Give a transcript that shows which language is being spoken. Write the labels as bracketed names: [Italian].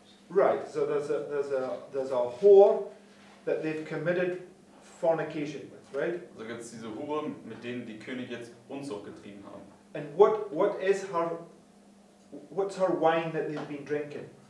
[English] Right, so there's a whore that they've committed fornication with, right? [German] Also gibt's diese Hure, mit denen die König jetzt Unzucht getrieben haben. [English] And what's her wine that they've been drinking?